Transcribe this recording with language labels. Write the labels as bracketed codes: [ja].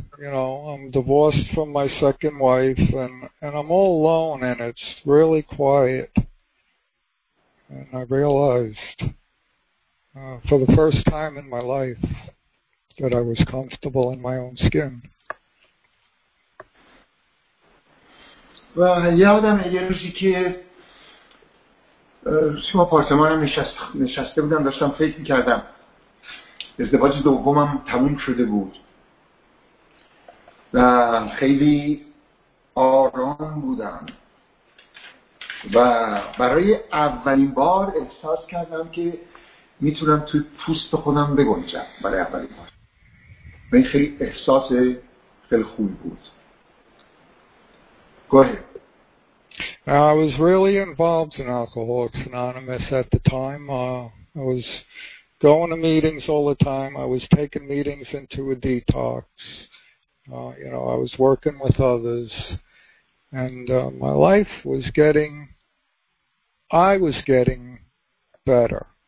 [en] You know, I'm divorced from my second wife, and I'm all alone, and it's really quiet. And I realized for the first time in my life that I was comfortable in my own skin. [fa] و یادم یه روزی که توی آپارتمانم نشسته بودم داشتم فکر میکردم ازدواج دومم تموم شده بود و خیلی آرام بودم و برای اولین بار احساس کردم که میتونم توی پوست خودم بگنجم برای اولین بار و این خیلی احساس خیلی خوبی بود. [en] Go ahead. Now, I was really involved in Alcoholics Anonymous at the time. I was going to meetings all the time. I was taking meetings into a detox. You know, I was working with others. And my life was getting, I was getting better.